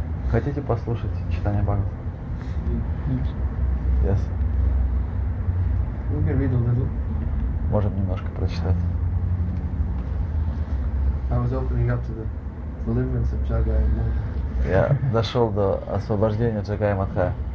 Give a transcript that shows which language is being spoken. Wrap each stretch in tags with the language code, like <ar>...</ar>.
<ru>Хотите послушать читание Бхагавад?</ru> <en>Yes. We can read a little.</en> <ru>Можем немножко прочитать.</ru> <en>I was opening up to the deliverance of Jagai Madha.</en> <ru>Я дошел до освобождения Джагая Мадхая.</ru>